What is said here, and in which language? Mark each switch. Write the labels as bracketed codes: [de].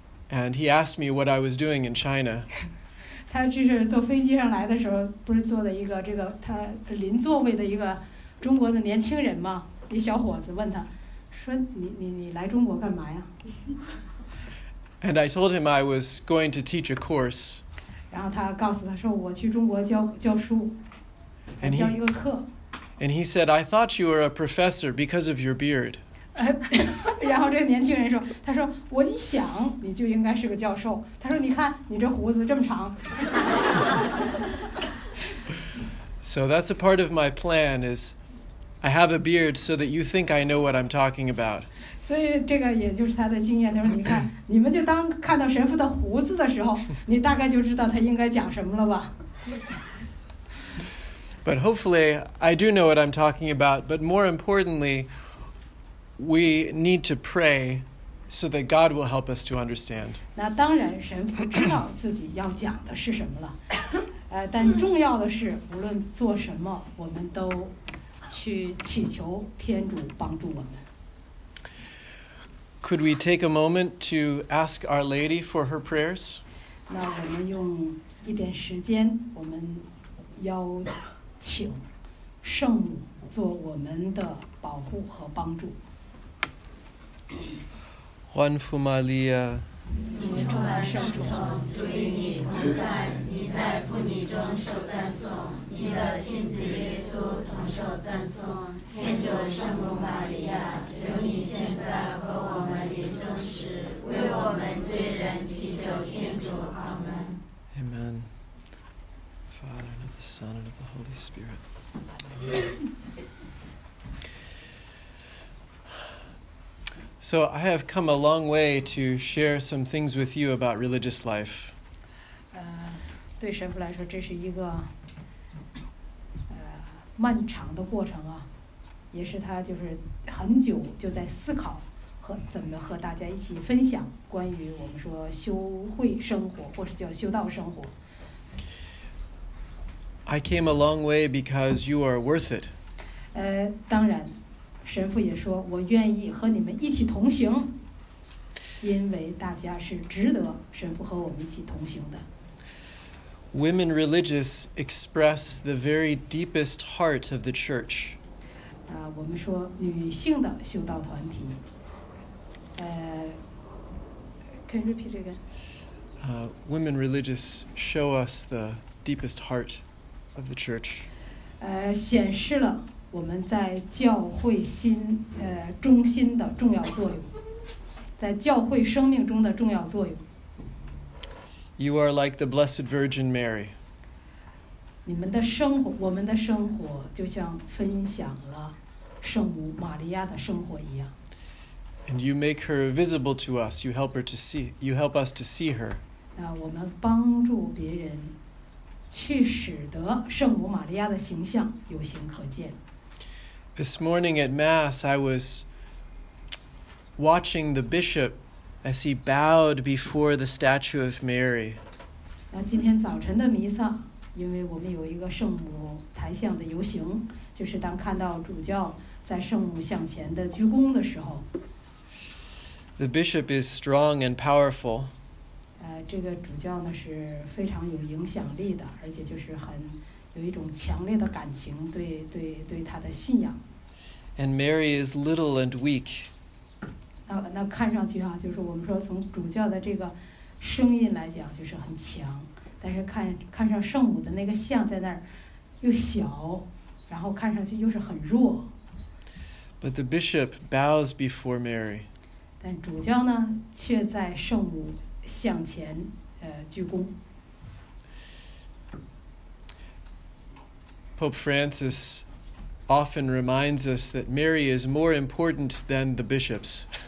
[en] And he asked me what I was doing in China. [zh] 他这是坐飞机上来的时候，不是坐的一个这个他邻座位的一个中国的年轻人吗？一小伙子问他，说你来中国干嘛呀 [en] ？And I told him I was going to teach a course. [zh] 然后他告诉他说我去中国教书，教一个课。 [en] And he said I thought you were a professor because of your beard. [zh] 然后这个年轻人说，他说我一想你就应该是个教授，他说你看你这胡子这么长。 [en] So that's a part of my plan is I have a beard so that you think I know what I'm talking about. [zh] 所以这个也就是他的经验，他说你看你们就当看到神父的胡子的时候，你大概就知道他应该讲什么了吧。 [en] But hopefully I do know what I'm talking about, but more importantly,We need to pray so that God will help us to understand. [zh] 那当然，神父知道自己要讲的是什么了。但重要的是，无论做什么，我们都去祈求天主帮助我们。 [en] Could we take a moment to ask Our Lady for her prayers? [zh] 那我们用一点时间，我们邀请圣母做我们的保护和帮助。欢呼玛利亚，你充满圣宠，主与你同在，你在妇女中受赞颂，你的亲子耶稣同受赞颂。天主圣母玛利亚，求你现在和我们临终时，为我们罪人祈求天主。阿门。 [en] Amen. Father, and of the Son, and of the Holy Spirit. So I have come a long way to share some things with you about religious life. [zh] 对神父来说，这是一个漫长的过程啊，也是他就是很久就在思考和怎么和大家一起分享关于我们说修会生活或者叫修道生活。 [en] I came a long way because you are worth it. [zh] 当然。神父也说我愿意和你们一起同行，因为大家是值得神父和我们一起同行的。 [en] Women religious express the very deepest heart of the church. [zh] 我们说女性的修道团体。 [en] Can you repeat again? Women religious show us the deepest heart of the church. [zh] 显示了我们在教会心中心的重要作用，在教会生命中的重要作用。 [en] You are like the Blessed Virgin Mary. [zh] 你们的生活，我们的生活就像分享了圣母玛利亚的生活一样。 [en] And you make her visible to us. You help her to see. You help us to see her. [zh] 那我们帮助别人，去使得圣母玛利亚的形象有形可见。 [en] This morning at Mass, I was watching the bishop as he bowed before the statue of Mary. [zh] 那今天早晨的弥撒，因为我们有一个圣母台像的游行，就是当看到主教在圣母像前的鞠躬的时候。 [en] The bishop is strong and powerful. [zh] 这个主教呢是非常有影响力的，而且就是很。有一种强烈的感情对对对他的信仰。 [en] And Mary is little and weak. [zh] 那看上去啊，就是我们说从主教的这个声音来讲，就是很强，但是看上圣母的那个像在那儿又小，然后看上去又是很弱。 [en] But the bishop bows before Mary. [zh] 但主教呢，却在圣母像前鞠躬。 [en] Pope Francis often reminds us that Mary is more important than the bishops.